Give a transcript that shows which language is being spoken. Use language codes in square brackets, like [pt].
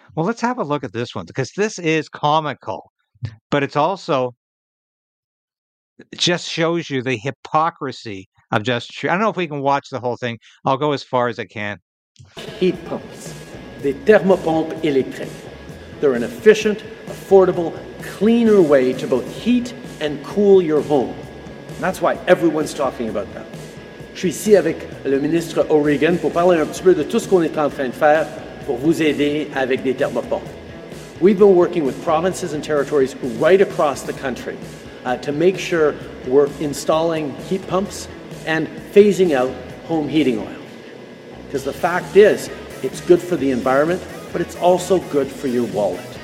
[en] Well, let's have a look at this one because this is comical, but it's also just shows you the hypocrisy of Justin Trudeau. I don't know if we can watch the whole thing. I'll go as far as I can. Heat pumps, the [fr] thermopompe électrique. [en] They're an efficient, affordable, cleaner way to both heat and cool your home. And that's why everyone's talking about that. [fr] Je suis ici avec le ministre O'Regan pour parler un petit peu de tout ce qu'on est en train de faire pour vous aider avec des thermopompes. [en] We've been working with provinces and territories right across the country to make sure we're installing heat pumps and phasing out home heating oil. Because the fact is, it's good for the environment, but it's also good for your wallet.